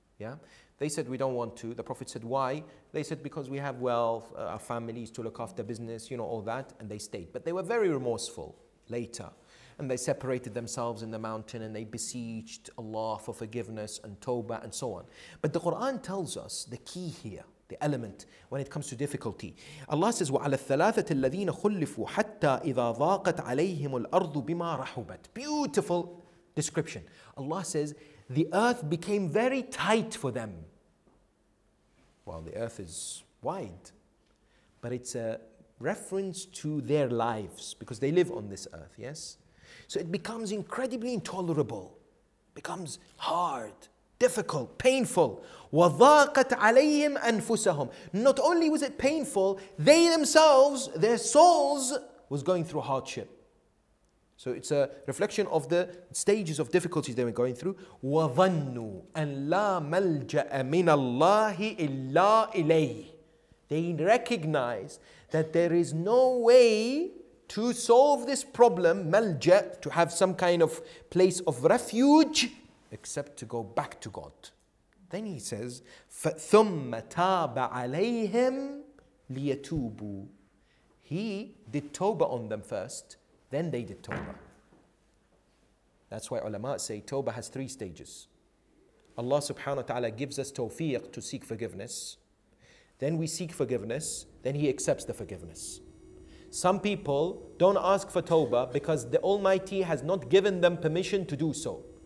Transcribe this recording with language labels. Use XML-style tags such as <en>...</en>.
<en>Yeah, they said, we don't want to. The Prophet said, why? They said, because we have wealth, our families to look after, business, you know, all that. And they stayed. But they were very remorseful later. And they separated themselves in the mountain and they beseeched Allah for forgiveness and Tawbah and so on. But the Quran tells us the key here, the element when it comes to difficulty. Allah says,</en> <ar>وَعَلَى الثَّلَاثَةِ الَّذِينَ خُلِّفُوا حَتَّى إِذَا ضَاقَتْ عَلَيْهِمُ الْأَرْضُ بِمَا رَحُبَتْ.</ar> <en>Beautiful description. Allah says, the earth became very tight for them. Well, the earth is wide, but it's a reference to their lives because they live on this earth, yes? So it becomes incredibly intolerable, becomes hard, difficult, painful.</en> <ar>وَضَاقَتْ عَلَيْهِمْ أَنفُسَهُمْ.</ar> <en>Not only was it painful, they themselves, their souls, was going through hardship. So it's a reflection of the stages of difficulties they were going through.</en> <ar>وَظَنُّوا أَنْ لَا مَلْجَأَ مِنَ اللَّهِ إِلَّا إِلَيْهِ.</ar> <en>They recognize that there is no way to solve this problem, مَلْجَأَ, to have some kind of place of refuge, except to go back to God. Then he says,</en> <ar>فَثُمَّ تَابَ عَلَيْهِمْ لِيَتُوبُوا.</ar> <en>He did Tawbah on them first, then they did Tawbah. That's why ulama say Tawbah has three stages. Allah subhanahu wa ta'ala gives us tawfiq to seek forgiveness. Then we seek forgiveness, then he accepts the forgiveness. Some people don't ask for Tawbah because the Almighty has not given them permission to do so.</en>